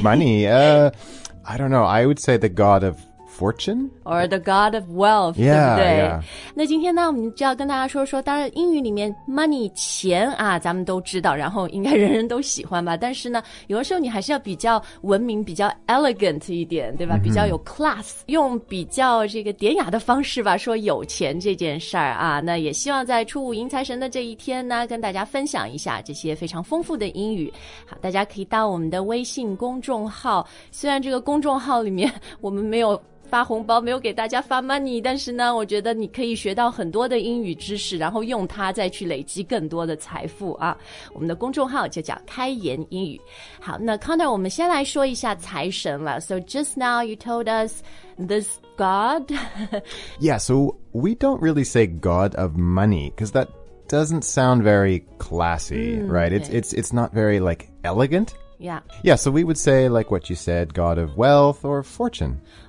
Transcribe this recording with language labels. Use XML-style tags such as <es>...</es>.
<en>Money, I don't know, I would say the God of fortune? Or the God of wealth, yeah,</en> <zh>对不对？</zh> <en>Yeah.</en> <zh>那今天呢，我们就要跟大家说说，当然英语里面 money, 钱啊，咱们都知道，然后应该人人都喜欢吧。但是呢，有的时候你还是要比较文明，比较 elegant 一点，对吧？ 比较有 class, 用比较这个典雅的方式吧，说有钱这件事儿啊。那也希望在初五迎财神的这一天呢，跟大家分享一下这些非常丰富的英语。好，大家可以到我们的微信公众号，虽然这个公众号里面我们没有发红包，没有给大家发 money， 但是呢我觉得你可以学到很多的英语知识，然后用它再去累积更多的财富啊。我们的公众号就叫开言英语。好，那 Connor 我们先来说一下财神了。</zh> <en>So just now you told us this God. Yeah, so we don't really say God of money because that doesn't sound very classy, right? It's not very like elegant. Yeah, so we would say, like what you said, God of wealth or fortune.</en>